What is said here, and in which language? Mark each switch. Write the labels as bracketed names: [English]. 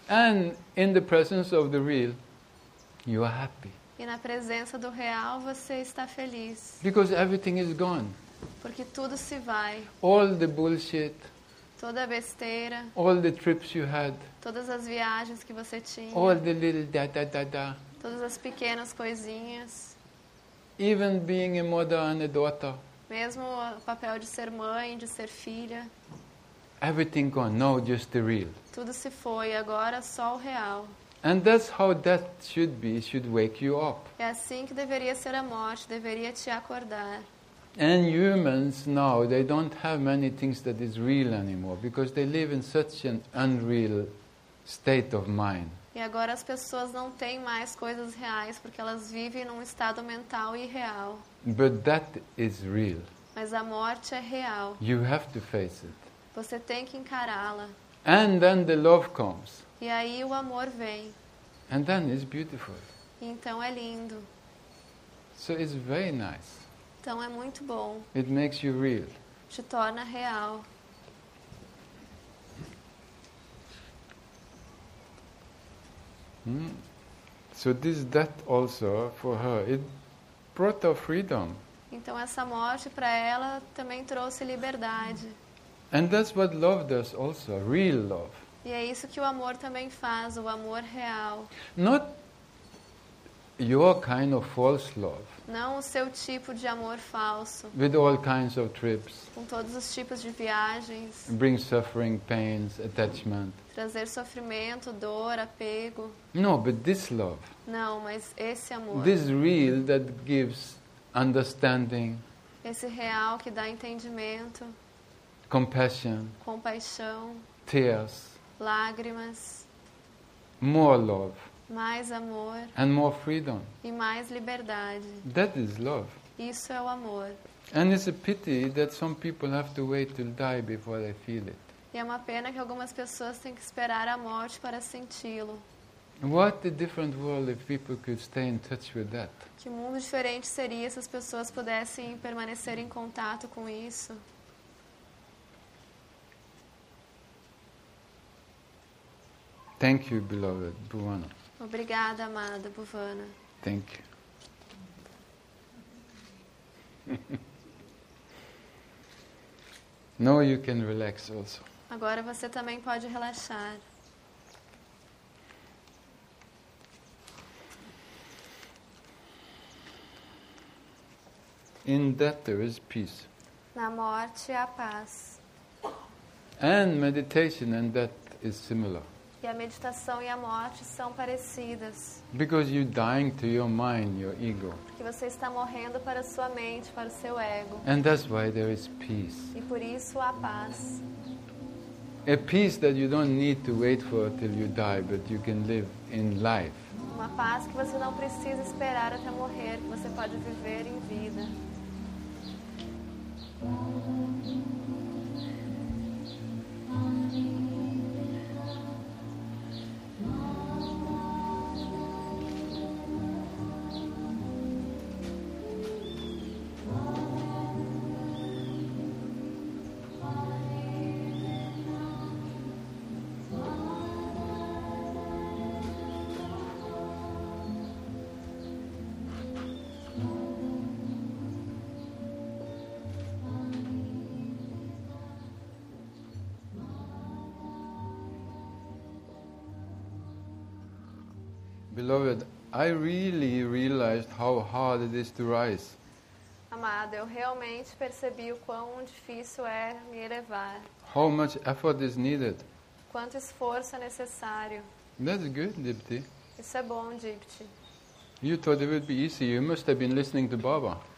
[English] And in the presence of the real, you are happy. [Portuguese] E na presença do real você está feliz. [English] Because everything is gone. [Portuguese] Porque tudo se vai. [English] All the bullshit. [Portuguese] Toda a besteira. [English] All the trips you had. [Portuguese] Todas as viagens que você tinha. [English] All the little da da da da. [Portuguese] Todas as pequenas coisinhas. [English] Even being a mother and a daughter. [Portuguese] Mesmo o papel de ser mãe, de ser filha. [English] Everything gone, no, just the real. [Portuguese] Tudo se foi, agora só o real. [English] And that's how that should be, should wake you up. [Portuguese] É assim que deveria ser a morte, deveria te acordar. [English] And humans now, they don't have many things that is real anymore because they live in such an unreal state of mind. [Portuguese] E agora as pessoas não têm mais coisas reais porque elas vivem num estado mental irreal. [English] But that is real. [Portuguese] Mas a morte é real. [English] You have to face it. [Portuguese] Você tem que encará-la. [English] And then the love comes. [Portuguese] E aí o amor vem. [English] And then it's beautiful. [Portuguese] E então é lindo. [English] So it's very nice. [Portuguese] Então é muito bom. [English] It makes you real. [Portuguese] Te torna real. [English] So this death also for her, it brought her freedom. [Portuguese] Então essa morte para ela também trouxe liberdade. [English] And that's what love does also, real love. [Portuguese] E é isso que o amor também faz, o amor real. [English] Not your kind of false love. [Portuguese] Não o seu tipo de amor falso. [English] With all kinds of trips. [Portuguese] Com todos os tipos de viagens. [English] Bring suffering, pains, attachment. [Portuguese] Trazer sofrimento, dor, apego. [English] No, but this love. [Portuguese] Não, mas esse amor. [English] This real that gives understanding. [Portuguese] Esse real que dá entendimento. [English] Compassion. [Portuguese] Compaixão. [English] Tears. [Portuguese] Lágrimas. [English] More love. [Portuguese] Mais amor. [English] And more freedom. [Portuguese] E mais liberdade. [English] That is love. [Portuguese] Isso é o amor. [English] And it's a pity that some people have to wait till die before they feel it. [Portuguese] E é uma pena que algumas pessoas têm que esperar a morte para senti-lo. [English] What a different world if people could stay in touch with that. [Portuguese] Que mundo diferente seria se as pessoas pudessem permanecer em contato com isso? [English] Thank you, beloved Bhuvana. [Portuguese] Obrigada, amada Bhuvana. [English] Thank you. Now you can relax also. [Portuguese] Agora você também pode relaxar. [English] In death there is peace. [Portuguese] Na morte há paz. [English] And meditation and death is similar. [Portuguese] E a meditação e a morte são parecidas. [English] Because you're dying to your mind, your ego. [Portuguese] Porque você está morrendo para a sua mente, para o seu ego. [English] And that's why there is peace. [Portuguese] E por isso há paz. [English] A peace that you don't need to wait for till you die, but you can live in life. [Portuguese] Uma paz que você não precisa esperar até morrer, que você pode viver em vida. [English] Beloved, I really realized how hard it is to rise. [Portuguese] Amada, eu realmente percebi o quão difícil é me elevar. [English] How much effort is needed? [Portuguese] Quanto esforço é necessário? [English] That's good, Dipti. [Portuguese] Isso é bom, Dipti. [English] You thought it would be easy. You must have been listening to Baba.